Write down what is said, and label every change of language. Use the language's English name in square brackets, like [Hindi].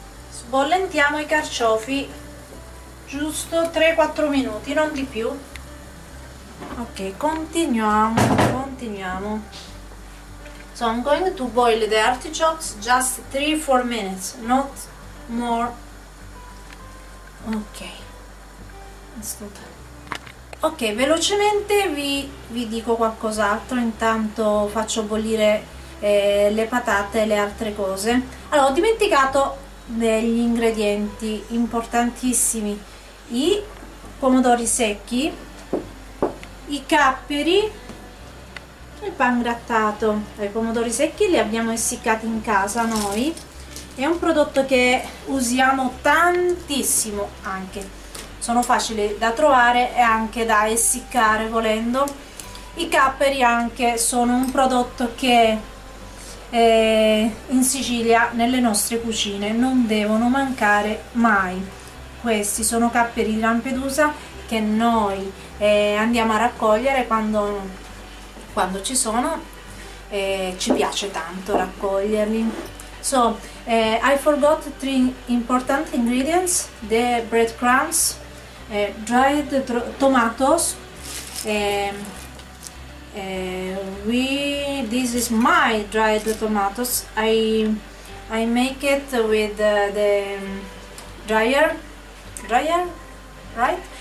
[Italian] Sbollentiamo i carciofi giusto 3-4 minuti, non di più. Ok, continuiamo. [English] So I'm going to boil the artichokes just 3-4 minutes, not more. Ok. [Italian] Ok, velocemente vi dico qualcos'altro, intanto faccio bollire le patate e le altre cose. Allora, ho dimenticato degli ingredienti importantissimi: i pomodori secchi, i capperi e il pan grattato. I pomodori secchi li abbiamo essiccati in casa noi, è un prodotto che usiamo tantissimo anche. Sono facili da trovare e anche da essiccare volendo. I capperi anche sono un prodotto che in Sicilia, nelle nostre cucine, non devono mancare mai. Questi sono capperi di Lampedusa che noi andiamo a raccogliere quando ci sono, e ci piace tanto raccoglierli. [English] So, I forgot three important ingredients: the breadcrumbs, dried tomatoes, this is my dried tomatoes. I make it with the dryer, right?